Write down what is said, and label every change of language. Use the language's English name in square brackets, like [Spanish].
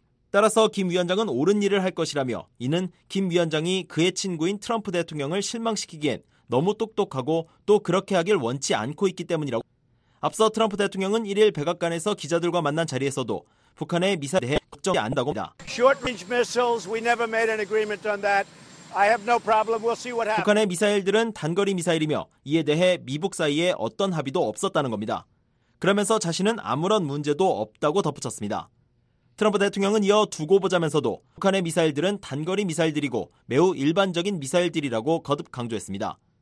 [Korean] 따라서 김 위원장은 옳은 일을 할 것이라며 이는 김 위원장이 그의 친구인 트럼프 대통령을 실망시키기엔 너무 똑똑하고 또 그렇게 하길 원치 않고 있기 때문이라고. 앞서 트럼프 대통령은 1일 백악관에서 기자들과 만난 자리에서도 북한의 미사일에 대해 걱정이 안다고 합니다. [English] Short-range missiles, we never made an agreement on that. I have no problem. We'll see what happens. [Korean] 북한의 미사일들은 단거리 미사일이며 이에 대해 미북 사이에 어떤 합의도 없었다는 겁니다. 그러면서 자신은 아무런 문제도 없다고 덧붙였습니다. 트럼프 대통령은 이어 두고 보자면서도 북한의 미사일들은 단거리 미사일들이고 매우 일반적인 미사일들이라고 거듭 강조했습니다.